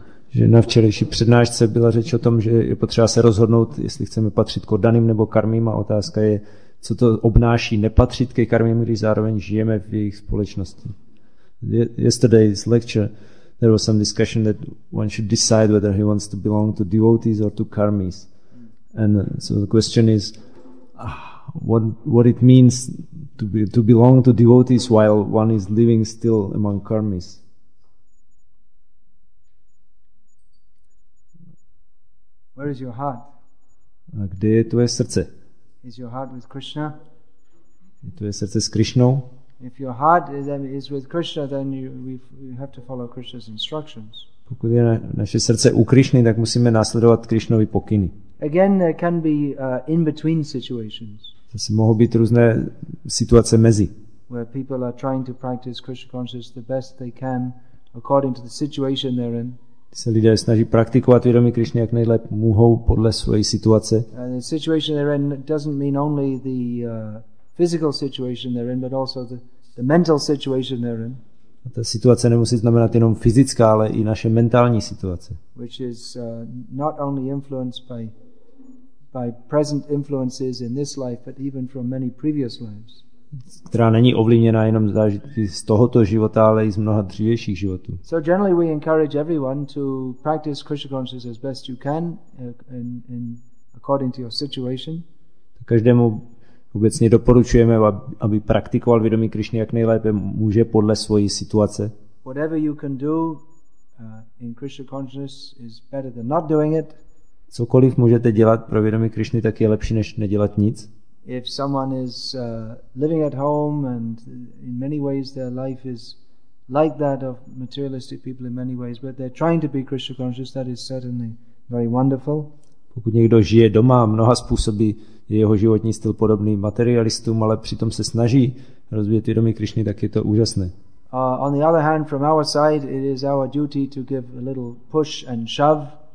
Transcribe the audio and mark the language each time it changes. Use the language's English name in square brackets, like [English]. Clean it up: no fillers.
[Czech] Že na včerejší přednášce byla řeč o tom, že je potřeba se rozhodnout, jestli chceme patřit k oddaným nebo karmím, a otázka je, co to obnáší nepatřit ke karmím, když zároveň žijeme v jejich společnosti. [English] Yesterday's lecture, there was some discussion that one should decide whether he wants to belong to devotees or to karmis. And so the question is, what it means to belong to devotees while one is living still among karmis. Where is your heart? [Czech] A kde je tvoje srdce? [English] Is your heart with Krishna? [Czech] Je tvoje srdce s Krishnou? [English] If your heart is with Krishna, then you have to follow Krishna's instructions. [Czech] Pokud je naše srdce u Krishny, tak musíme následovat Krishnovy pokyny. [English] Again, there can be in-between situations. [Czech] Zase mohou být různé situace mezi. [English] Where people are trying to practice Krishna consciousness the best they can according to the situation they're in. [Czech] Se lidé snaží praktikovat vědomí Krišny jak nejlépe mohou podle své situace. [English] And the situation they're in doesn't mean only the physical situation they're in, but also the mental situation they're in. [Czech] A ta situace nemusí znamenat jenom fyzická, ale i naše mentální situace. [English] Which is not only influenced by present influences in this life, but even from many previous lives. [Czech] Která není ovlivněna jenom zážitky z tohoto života, ale i z mnoha dřívějších životů. [English] So generally we encourage everyone to practice Krishna consciousness as best you can in according to your situation. [Czech] Každému obecně doporučujeme, aby praktikoval vědomí Krišny jak nejlépe může podle své situace. [English] Whatever you can do in Krishna consciousness is better than not doing it. [Czech] Cokoliv můžete dělat pro vědomí Krišny, tak je lepší než nedělat nic. [English] If someone is living at home and in many ways their life is like that of materialistic people in many ways, but they're trying to be Krishna conscious, that is certainly very wonderful. [Czech] Pokud někdo žije doma mnoha způsoby, je jeho životní styl podobný materialistům, ale přitom se snaží rozvíjet vědomí Krišny, tak je to úžasné. [English] On the other hand, from our side, it is our duty to give a little push and shove.